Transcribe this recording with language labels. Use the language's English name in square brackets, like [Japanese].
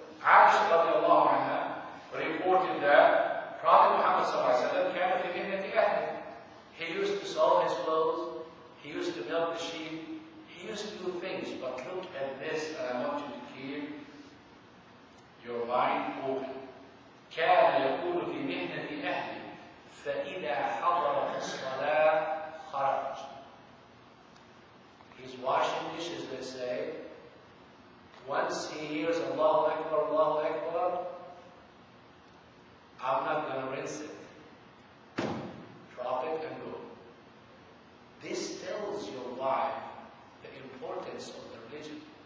[English] Aisha radiallahu anha reported that Prophet Muhammad came to him at the end. He used to sew his clothes, he used to milk the sheep, he used to do things. But look at this, and I want you to keep your mind open. [Arabic] كان يقول في مهنة أهله فإذا حضر في الصلاة خرج. [English] He's washing dishes, they say. Once he hears Allahu Akbar, Allahu Akbar, I'm not going to rinse it. Drop it and go. This tells your wife the importance of the religion.